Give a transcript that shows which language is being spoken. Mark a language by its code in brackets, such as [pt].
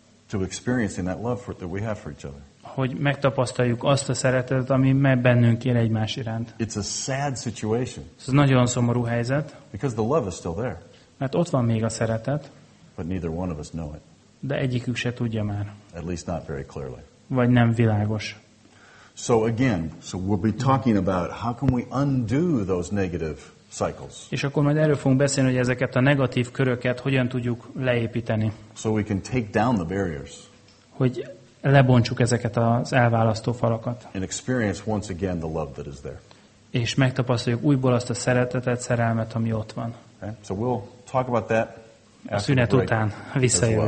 [en] to experiencing that love that we have for each other. [hu] Hogy megtapasztaljuk azt a szeretetet, ami meg bennünk él egymás iránt. [en] It's a sad situation. [hu] Ez nagyon szomorú helyzet. [en] Because the love is still there. [hu] Mert ott van még a szeretet. [en] But neither one of us know it. [hu] De egyikük se tudja már. [en] At least not very clearly. [hu] Vagy nem világos. [en] So again, so we'll be talking about how can we undo those negative cycles. [hu] És akkor majd erről fogunk beszélni, hogy ezeket a negatív köröket hogyan tudjuk leépíteni. [en] So we can take down the barriers. [hu] Hogy lebontsuk ezeket az elválasztó falakat. [en] And experience once again the love that is there. [hu] És megtapasztaljuk újból azt a szeretetet, szerelmet, ami ott van. [en] Okay. So we'll talk about that [hu] a szünet után visszajövünk.